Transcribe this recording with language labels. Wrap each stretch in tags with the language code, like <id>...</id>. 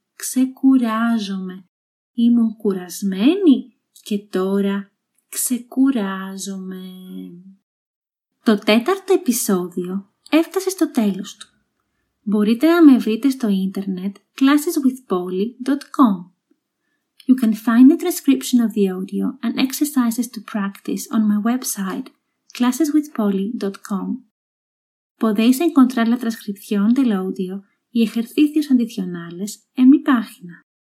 <el>Ξεκουράζομαι. Ήμουν κουρασμένη και τώρα ξεκουράζομαι. Το τέταρτο επεισόδιο έφτασε στο τέλος του. Μπορείτε να με βρείτε στο ίντερνετ classeswithpoly.com.</el> <en>You can find the transcription of the audio and exercises to practice on my website classeswithpoly.com.</en> <es>Podéis encontrar la transcripción del audio y ejercicios adicionales en mi página.</es>